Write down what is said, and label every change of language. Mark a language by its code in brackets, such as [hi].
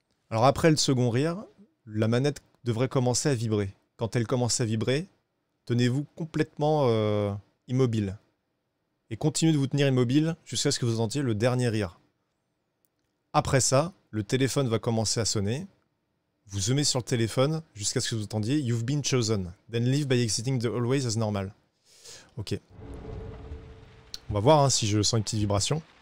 [fr] Alors après le second rire, la manette devrait commencer à vibrer. Quand elle commence à vibrer. Tenez-vous complètement immobile. Et continuez de vous tenir immobile jusqu'à ce que vous entendiez le dernier rire. Après ça, le téléphone va commencer à sonner. Vous zoomez sur le téléphone jusqu'à ce que vous entendiez « [en] You've been chosen. Then leave by exiting the hallways as normal. » Ok. [fr] On va voir hein, si je sens une petite vibration.